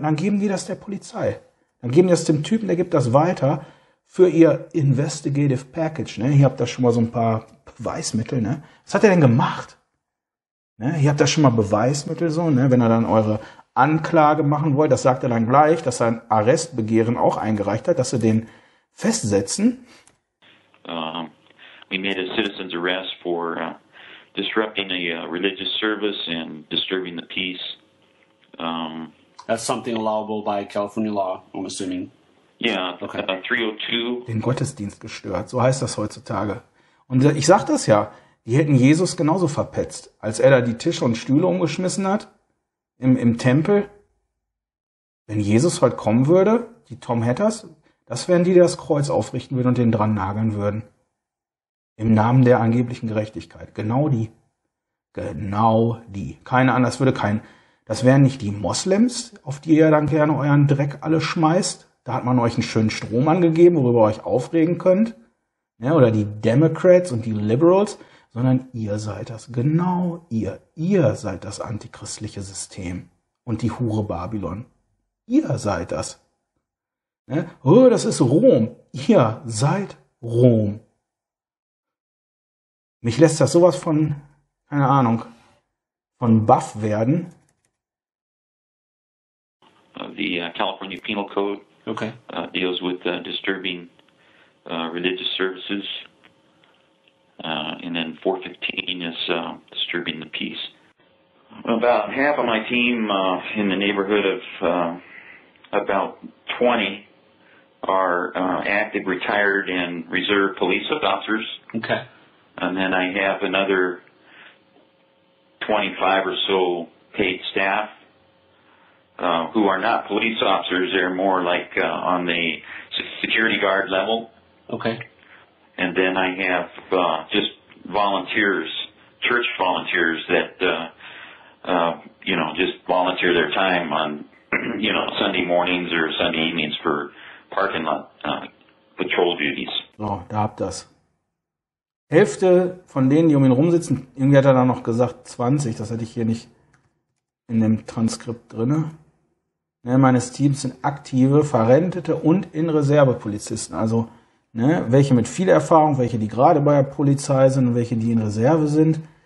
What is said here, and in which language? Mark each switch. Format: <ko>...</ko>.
<de>Dann geben die das der Polizei. Dann geben die das dem Typen, der gibt das weiter für ihr Investigative Package, ne? Ihr habt da schon mal so ein paar Beweismittel, ne? Was hat er denn gemacht? Ne, ihr habt da schon mal Beweismittel so, ne, wenn er dann eure Anklage machen wollt, das sagt er dann gleich, dass er ein Arrestbegehren auch eingereicht hat, dass sie den festsetzen.</de> <en>We made a citizen's arrest for disrupting a religious service and disturbing the peace. That's something allowable by California law, I'm assuming. Yeah, okay. 302.</en> <de>Den Gottesdienst gestört, so heißt das heutzutage. Und ich sag das ja. Die hätten Jesus genauso verpetzt, als er da die Tische und Stühle umgeschmissen hat im Tempel. Wenn Jesus heute kommen würde, die Tom Hatters, das wären die, die das Kreuz aufrichten würden und den dran nageln würden. Im Namen der angeblichen Gerechtigkeit. Genau die. Genau die. Keine anders würde kein. Das wären nicht die Moslems, auf die ihr dann gerne euren Dreck alle schmeißt. Da hat man euch einen schönen Strom angegeben, worüber ihr euch aufregen könnt. Ja, oder die Democrats und die Liberals. Sondern ihr seid das, genau ihr. Ihr seid das antichristliche System und die Hure Babylon. Ihr seid das. Ne? Oh, das ist Rom. Ihr seid Rom. Mich lässt das sowas von, keine Ahnung, von baff werden.</de> <en>The California Penal Code deals with disturbing religious services. And then 415 is disturbing the peace. About half of my team in the neighborhood of about 20 are active retired and reserve police officers. Okay. And then I have another 25 or so paid staff who are not police officers. They're more like on the security guard level. Okay. And then I have just volunteers, church volunteers that, you know, just volunteer their time on, you know, Sunday mornings or Sunday evenings for parking lot patrol duties.</en> <de>So, da habt ihr das. Hälfte von denen, die um ihn rumsitzen, irgendwie hat er da noch gesagt 20, das hätte ich hier nicht in dem Transkript drin. Ne, meines Teams sind aktive, verrentete und in Reserve Polizisten, also ne, welche mit viel Erfahrung, welche, die gerade bei der Polizei sind und welche, die in Reserve sind.</de>